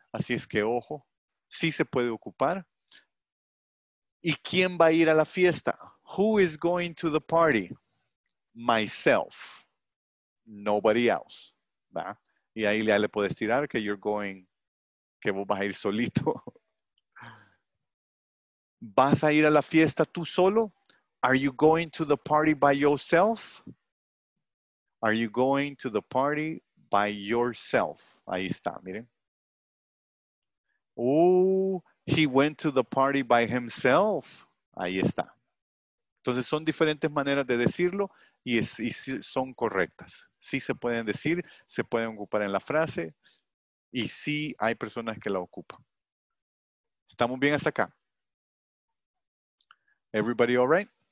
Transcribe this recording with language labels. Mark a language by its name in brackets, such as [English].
[Spanish] Así es que, ojo, sí se puede ocupar. ¿Y quién va a ir a la fiesta? [English] Who is going to the party? Myself. Nobody else. ¿Va? [Spanish] Y ahí ya le puedes tirar que [English] you're going, [Spanish] que vos vas a ir solito. ¿Vas a ir a la fiesta tú solo? [English] Are you going to the party by yourself? Are you going to the party by yourself? [Spanish] Ahí está, miren. [English] Oh, he went to the party by himself. [Spanish] Ahí está. Entonces, son diferentes maneras de decirlo y son correctas. Sí se pueden decir, se pueden ocupar en la frase y sí hay personas que la ocupan. ¿Estamos bien hasta acá? [English] Everybody all right?